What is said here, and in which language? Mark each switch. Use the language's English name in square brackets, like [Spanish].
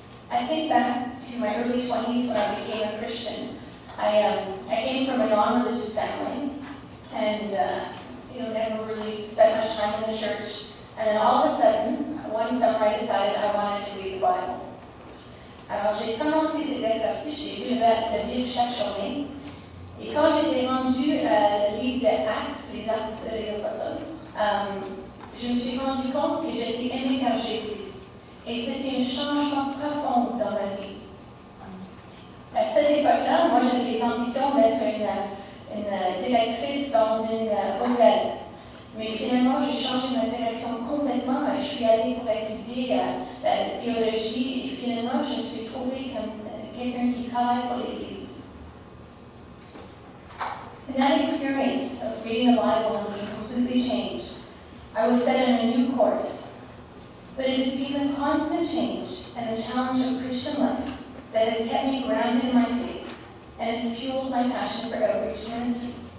[English] I think back to my early 20s when I became a Christian. I came from a non-religious family and never really spent much time in the church. And then all of a sudden, one summer I decided I wanted to read the Bible. [French] J'ai commencé cet exercice, j'ai lu la Bible chaque journée. Et quand j'étais rendue le livre d'Actes, les Actes de l'Apostle, je me suis rendue compte que j'étais aimée par Jésus. Et c'était un changement profond dans ma vie. À cette époque-là, moi j'avais des ambitions d'être une directrice dans une hôtel. Mais finalement, j'ai changé ma direction complètement. Je suis allée pour étudier la théologie et finalement, je me suis trouvée comme quelqu'un qui travaille pour l'Église. [English] In that experience of reading the Bible and being completely changed, I was set on a new course. But it has been the constant change and the challenge of Christian life that has kept me grounded in my faith and has fueled my passion for outreach ministry.